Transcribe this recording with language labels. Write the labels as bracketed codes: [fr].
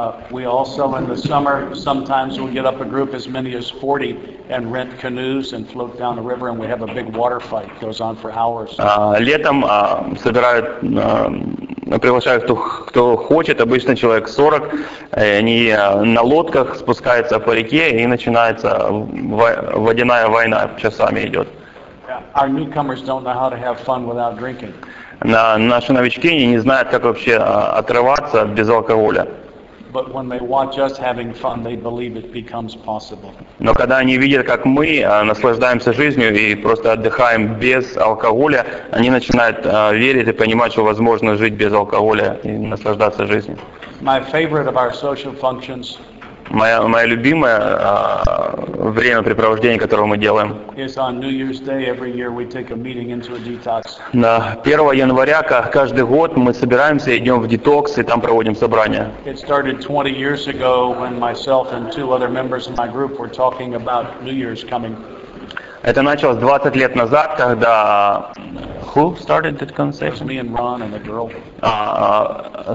[en] We also in the summer sometimes we get up a group as many as 40 and rent canoes and float down the river and we have a big water fight goes on for hours. [ru] Летом собирают приглашают кто хочет, обычно человек 40, они на лодках спускаются по реке и начинается водяная война, часами идет. [en] Our newcomers don't know how to have fun without drinking. [ru] Наши новички не знают, как вообще отрываться без алкоголя. Но когда они видят, как мы наслаждаемся жизнью и просто отдыхаем без алкоголя, они начинают верить и понимать, что возможно жить без алкоголя и наслаждаться жизнью. [en] My favorite of our social functions, [ru] моя любимая времяпрепровождение, которое мы делаем. [en] Day, [ru] на 1 января каждый год мы собираемся, идем в детокс и там проводим собрание. [en] It started 20 years ago when myself and two other members of my group were talking about New Year's coming. [ru] Это началось 20 лет назад, когда... [en] Who started that conversation? It was me and Ron and a girl.